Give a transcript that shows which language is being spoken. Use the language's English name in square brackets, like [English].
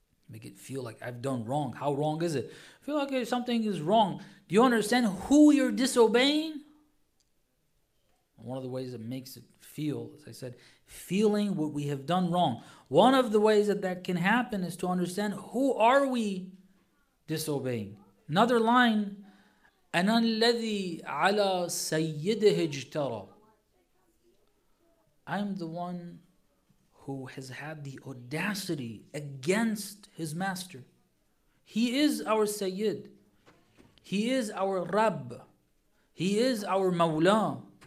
[English] Make it feel like I've done wrong. How wrong is it? Feel like something is wrong. Do you understand who you're disobeying? One of the ways it makes it feel, as I said, feeling what we have done wrong. One of the ways that that can happen is to understand who are we disobeying. Another line, [Arabic] أَنَا الَّذِي عَلَى سَيِّدِهِ اجْتَرَى. [English] I'm the one who has had the audacity against his master. He is our Sayyid. He is our Rabb. He is our Mawla.